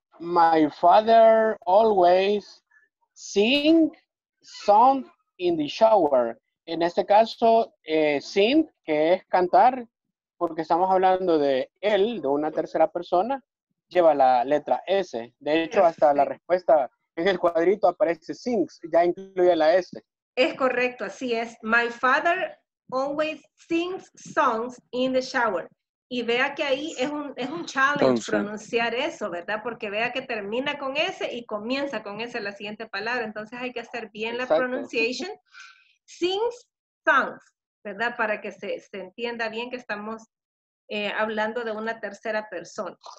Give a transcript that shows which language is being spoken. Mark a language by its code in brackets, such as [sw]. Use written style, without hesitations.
[en] My father always sing song in the shower. [es] En este caso, sing, que es cantar, porque estamos hablando de él, de una tercera persona, lleva la letra S. De hecho, hasta la respuesta en el cuadrito aparece sings, ya incluye la S. Es correcto, así es. [en] My father always sings songs in the shower. [es] Y vea que ahí es un challenge pronunciar eso, ¿verdad? Porque vea que termina con S y comienza con S la siguiente palabra. Entonces hay que hacer bien la pronunciation. Sings songs, ¿verdad? Para que se entienda bien que estamos hablando de una tercera persona.